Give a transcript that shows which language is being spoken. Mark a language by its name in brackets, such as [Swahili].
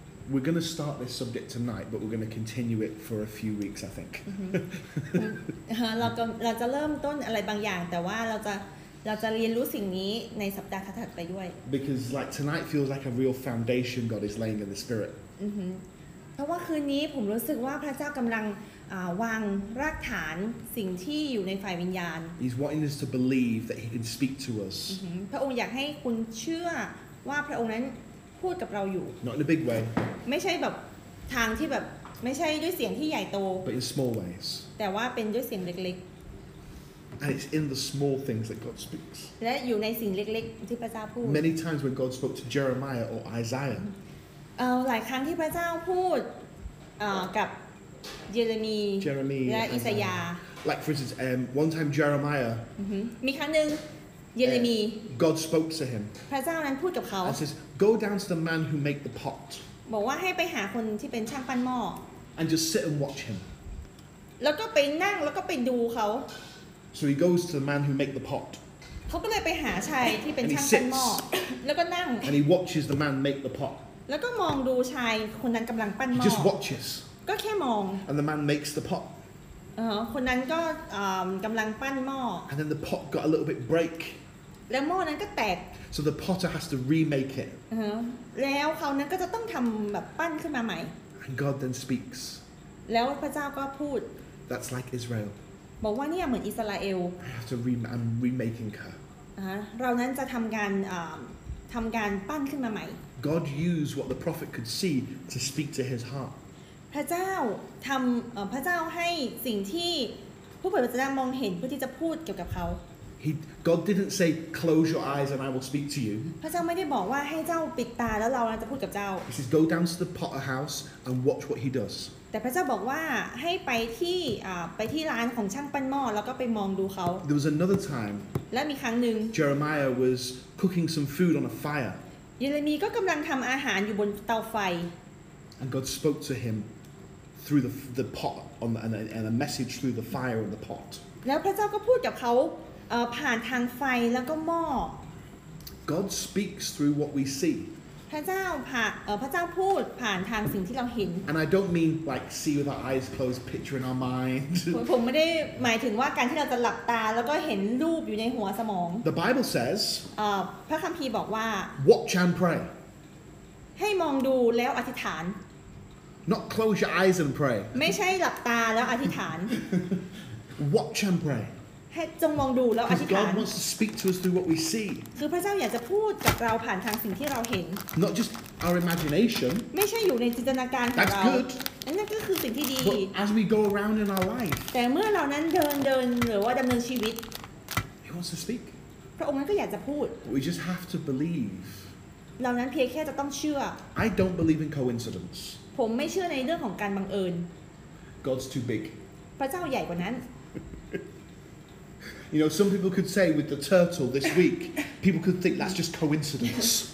[English] We're going to start this subject tonight, but we're going to continue it for a few weeks, I think. [Thai] เราจะเริ่มต้นอะไรบางอย่างแต่ว่าเราจะเรียนรู้สิ่งนี้ในสัปดาห์ถัดไปด้วย [English] Because like tonight feels like a real foundation God is laying in the spirit. [Thai] เพราะว่าคืนนี้ผมรู้สึกว่าพระเจ้ากำลังวางรากฐานสิ่งที่อยู่ในฝ่ายวิญญาณ [English] He's wanting us to believe that He can speak to us. [Thai] พระองค์อยากให้คุณเชื่อว่าพระองค์นั้นพูดกับเราอยู่ [English] Not in a big way [Thai] ไม่ใช่แบบทางที่แบบไม่ใช่ด้วยเสียงที่ใหญ่โต [English] But in small ways [Thai] แต่ว่าเป็นด้วยเสียงเล็ก [English] ๆ And it's in the small things that God speaks [Thai] และอยู่ในสิ่งเล็กๆที่พระเจ้าพูด [English] Many times when God spoke to Jeremiah or Isaiah [Thai] หลายครั้งที่พระเจ้าพูดกับเยเรมีและอิสยาห์ [English] Like for instance one time Jeremiah [Thai] มีครั้งนึงJeremy. [English] God spoke to him. [Thai] พระเจ้านั้นพูดกับเขา [English] And says, "Go down to the man who made the pot." [Thai] บอกว่าให้ไปหาคนที่เป็นช่างปั้นหม้อ [English] And just sit and watch him. [Thai] แล้วก็ไปนั่งแล้วก็ไปดูเขา [English] So he goes to the man who made the pot. [Thai] เขาก็เลยไปหาชายที่เป็นช่างปั้นหม้อแล้วก็นั่ง [English] And he watches the man make the pot. [Thai] แล้วก็มองดูชายคนนั้นกำลังปั้นหม้อ [English] He just watches. [Thai] ก็แค่มอง [English] And the man makes the pot. [Thai] คนนั้นก็กำลังปั้นหม้อ [English] And then the pot got a little bit break [Thai] แล้วหม้อนั้นก็แตก [English] So the potter has to remake it [Thai] แล้วเขานั้นก็จะต้องทำแบบปั้นขึ้นมาใหม่ [English] And God then speaks [Thai] แล้วพระเจ้าก็พูด [English] That's like Israel [Thai] บอกว่าเนี่ยเหมือนอิสราเอล [English] I have to I'm remaking her [Thai] เรานั้นจะทำการปั้นขึ้นมาใหม่ [English] God used what the prophet could see to speak to his heart [Thai] พระเจ้าทำพระเจ้าให้สิ่งที่ผู้เผยพระวจนะมองเห็นเพื่อที่จะพูดเกี่ยวกับเขา [English] God didn't say close your eyes and I will speak to you [Thai] พระเจ้าไม่ได้บอกว่าให้เจ้าปิดตาแล้วเราจะพูดกับเจ้า [English] He says go down to the potter house and watch what he does [Thai] แต่พระเจ้าบอกว่าให้ไปที่ร้านของช่างปั้นหม้อแล้วก็ไปมองดูเขา [English] There was another time [Thai] และมีครั้งหนึ่ง [English] Jeremiah was cooking some food on a fire [Thai] เยเรมีย์ก็กำลังทำอาหารอยู่บนเตาไฟ [English] And God spoke to himthrough the pot on the, and a message through the fire in the pot. [Thai] แล้วพระเจ้าก็พูดกับเขาผ่านทางไฟแล้วก็หม้อ [English] God speaks through what we see. [Thai] พระเจ้าพูดผ่านทางสิ่งที่เราเห็น [English] And I don't mean like see with our eyes closed picture in our mind. [Thai] ผมไม่ได้หมายถึงว่าการที่เราจะหลับตาแล้วก็เห็นรูปอยู่ในหัวสมอง [English] The Bible says [Thai] พระคัมภีร์บอกว่า [English] Watch and pray. [Thai] ให้มองดูแล้วอธิษฐาน [English] Not close your eyes and pray. [Thai] ไม่ใช่หลับตาแล้วอธิษฐาน [English] Watch and pray. [Thai] ให้จงมองดูแล้วอธิษฐาน [English] God wants to speak to us through what we see. [Thai] คือพระเจ้าอยากจะพูดกับเราผ่านทางสิ่งที่เราเห็น [English] Not just our imagination. [Thai] ไม่ใช่อยู่ในจินตนาการของเรา [English] That's good. [Thai] นั่นก็คือสิ่งที่ดี [English] But as we go around in our life. [Thai] แต่เมื่อเรานั้นเดินหรือว่าดำเนินชีวิต [English] He wants to speak. [Thai] พระองค์นั้นก็อยากจะพูด [English] We just have to believe. [Thai] เรานั้นเพียงแค่จะต้องเชื่อ [English] I don't believe in coincidence [Thai] ผมไม่เชื่อในเรื่องของการบังเอิญ [English] God's too big [Thai] พระเจ้าใหญ่กว่านั้น [English] You know, some people could say with the turtle this week, people could think that's just coincidence.